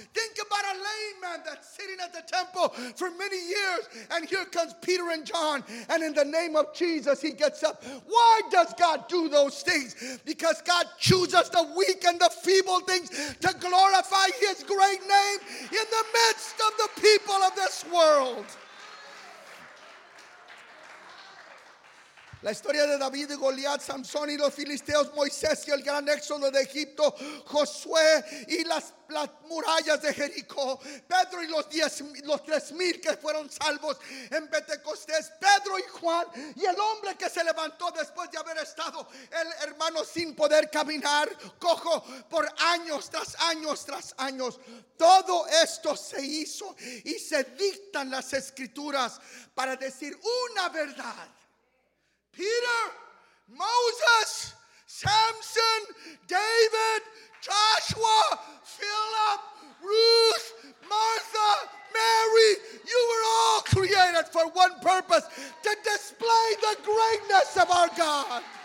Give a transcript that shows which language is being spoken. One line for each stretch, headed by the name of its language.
English: Think about a lame man that's sitting at the temple for many years, and here comes Peter and John, and in the name of Jesus, he gets up. Why does God do those things? Because God chooses the weak and the feeble things to glorify his great name in the midst of the people of this world.
Spanish: La historia de David y Goliat, Sansón y los filisteos, Moisés y el gran éxodo de Egipto, Josué y las murallas de Jericó, Pedro y los 3,000 que fueron salvos en Pentecostés, Pedro y Juan y el hombre que se levantó después de haber estado el hermano sin poder caminar, cojo por años tras años tras años. Todo esto se hizo y se dictan las escrituras para decir una verdad.
English: Peter, Moses, Samson, David, Joshua, Philip, Ruth, Martha, Mary, you were all created for one purpose, to display the greatness of our God.